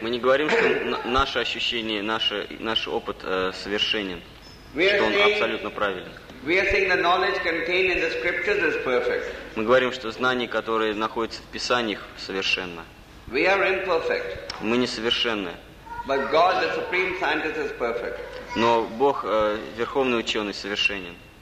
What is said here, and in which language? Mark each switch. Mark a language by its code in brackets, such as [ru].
[ru] Мы не говорим, что наше ощущение, наш опыт совершенен, что он абсолютно правилен. [en] We are saying the knowledge contained in the scriptures is perfect. [ru] Мы говорим, что знание, которое находится в Писаниях, совершенно. [en] We are imperfect. [ru] Мы несовершенны. [en] But God, the supreme scientist, is perfect. [ru] Но Бог, верховный ученый, совершенен.